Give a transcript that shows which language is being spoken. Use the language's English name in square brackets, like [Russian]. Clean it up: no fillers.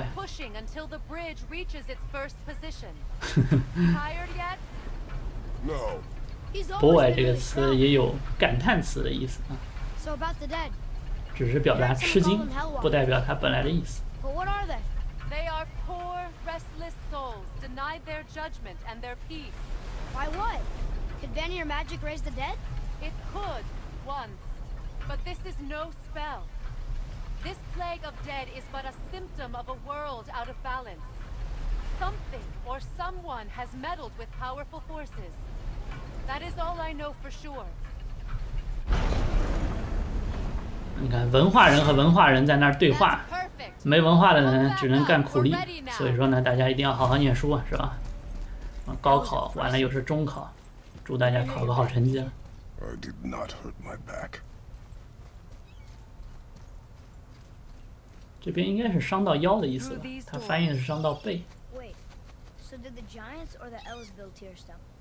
[English] Just keep pushing until the bridge reaches its first position. Tired yet? No. [Chinese] Boy 这个词也有感叹词的意思啊。 [English] So about the dead. [Chinese] 只是表达吃惊，不代表他本来的意思。 [English] But what are they? They are poor, restless souls denied their judgment and their peace. Why what? Could Vanir magic raise the dead? It could once, but this is no spell. This plague of dead is but a symptom of a world out of balance. Something or someone has meddled with powerful forces. That is all I know for sure. [Chinese] 你看，文化人和文化人在那儿对话，没文化的人只能干苦力。所以说呢，大家一定要好好念书，是吧？高考完了又是中考，祝大家考个好成绩。 [English] I did not hurt my back. [Chinese] 这边应该是伤到腰的意思吧，他翻译是伤到背。 [English] Wait, so did the giants or the elves build Tearstone?